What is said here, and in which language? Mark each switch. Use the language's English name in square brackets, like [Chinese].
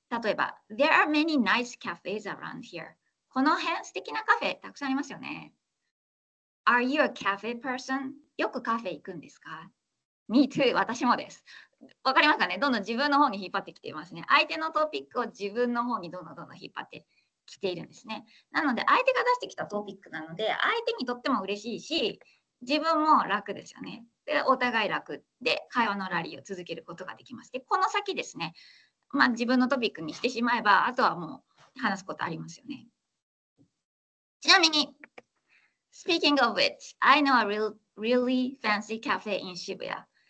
[Japanese] 例えば [English] There are many nice cafes around here. [Japanese] この辺素敵なカフェたくさんありますよね。 [English] Are you a cafe person? [Japanese] よくカフェ行くんですか？ [English] Me too. [Japanese] 私もです。わかりますかね。どんどん自分の方に引っ張ってきていますね。相手のトピックを自分の方にどんどんどんどん引っ張ってきているんですね。なので相手が出してきたトピックなので相手にとっても嬉しいし自分も楽ですよね。でお互い楽で会話のラリーを続けることができます。でこの先ですね、まあ自分のトピックにしてしまえばあとはもう話すことありますよね。ちなみに [English] Speaking of which I know a really fancy cafe in Shibuya。